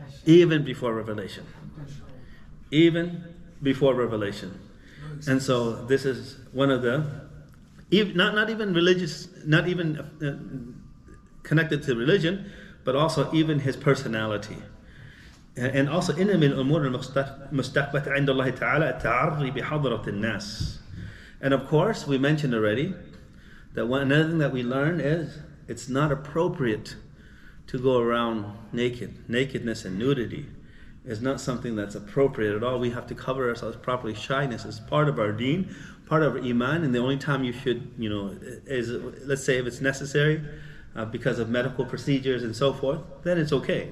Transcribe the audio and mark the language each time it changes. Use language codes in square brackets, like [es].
[en] Even before revelation. Even before revelation. And so this is one of the, not even religious, not even connected to religion, but also even his personality. And also, [ar] إِنَّ مِنْ الْأُمُورِ الْمُسْتَقْبَةِ عِنْدَ اللَّهِ تَعَالَى التَّعَرِّي بِحَضْرَةِ النَّاسِ. [en] And of course, we mentioned already that another thing that we learn is it's not appropriate to go around naked. Nakedness and nudity is not something that's appropriate at all. We have to cover ourselves properly. Shyness is part of our deen, part of our iman, and the only time you should, you know, is, let's say if it's necessary because of medical procedures and so forth, then it's okay.